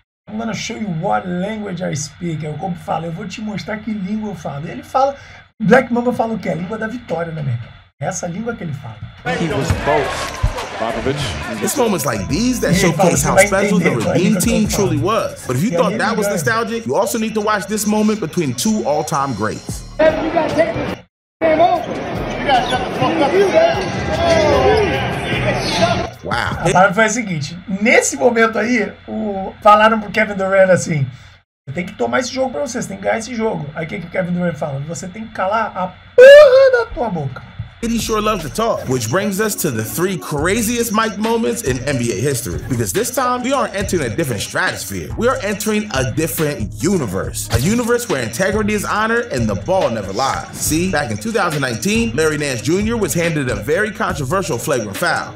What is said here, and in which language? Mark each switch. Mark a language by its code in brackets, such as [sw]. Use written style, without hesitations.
[en] I'm gonna show you what language I speak. [pt] Eu como falo, eu vou te mostrar que língua eu falo. Ele fala, Black Mamba fala o quê? A língua da vitória, né, meu? Essa língua que ele fala. [en] He was both. It's moments like these that showcase how special the Redeem team truly was. But if you thought that was nostalgic, you also need to watch this moment between two all-time greats. [pt] Wow. A parada foi a seguinte. Nesse momento aí, falaram pro Kevin Durant assim, você tem que tomar esse jogo pra você, você tem que ganhar esse jogo. Aí o que o Kevin Durant fala? Você tem que calar a porra da tua boca. [en] He sure loves to talk, which brings us to the three craziest mic moments in NBA history. Because this time, we aren't entering a different stratosphere. We are entering a different universe. A universe where integrity is honored and the ball never lies. See, back in 2019, Larry Nance Jr. was handed a very controversial flagrant foul.